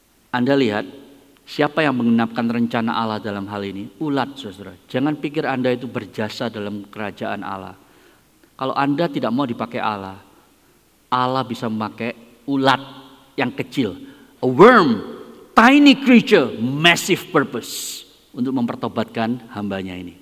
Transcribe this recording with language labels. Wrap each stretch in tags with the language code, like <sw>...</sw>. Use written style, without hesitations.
<id>Anda lihat, siapa yang mengenapkan rencana Allah dalam hal ini? Ulat, saudara. Jangan pikir Anda itu berjasa dalam kerajaan Allah. Kalau Anda tidak mau dipakai Allah, Allah bisa memakai ulat yang kecil.</id> <en>A worm, tiny creature, massive purpose.</en> <id>Untuk mempertobatkan hambanya ini.</id>